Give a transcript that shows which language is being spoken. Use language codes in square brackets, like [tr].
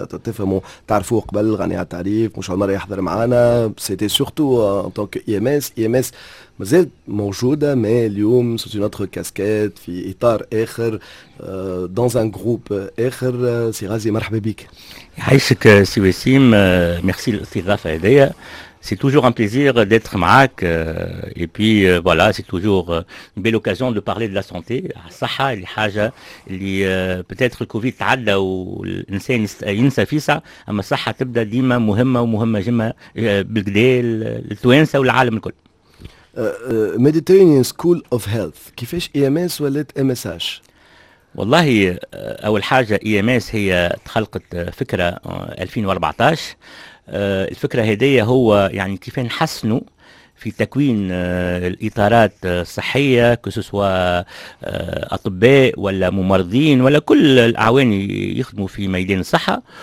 [ar] تفهموا تعرفوه قبل، غني على التعريف، مش اول مره يحضر معنا. سيتي سورتو ان تونك اي ام اس، اي ام اس مازالت موجوده، مي اليوم سوت اون اوتر كاسكيت، في اطار اخر، دونز ان جروب اخر. سي غازي مرحبا بك. يعيشك سي وسيم، ميرسي للاستضافه هذيا. [fr] C'est toujours un plaisir d'être [ar] معاك. [fr] Et puis voilà, c'est toujours une belle occasion de parler de la santé. [ar] صحة اللي حاجة اللي peut-être الكوفيد تعدى والإنسان ينسى فيسع، أما الصحة تبدأ ديما مهمة، ومهمة جمة بالقديل التوينسة والعالم الكل. Mediterranean School of Health، كيفاش EMS ولات MSH؟ والله أول حاجة EMS هي تخلقت فكرة 2014. الفكرة هدية هو يعني كيف نحسنوا في تكوين الإطارات الصحية، كسوسوا أطباء ولا ممرضين ولا كل الأعوان يخدموا في ميدان الصحة.